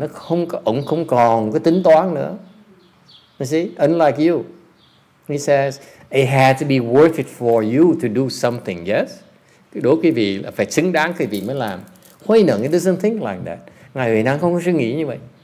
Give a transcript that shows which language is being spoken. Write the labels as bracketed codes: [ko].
[vi] Nó không có, ông không còn cái tính toán nữa. [en] You see, unlike you, he says, it had to be worth it for you to do something, yes? [vi] Đối quý vị là phải xứng đáng quý vị mới làm. HuiNeng, [en] he doesn't think like that. [vi] Ngài Huệ Năng không có suy nghĩ như vậy.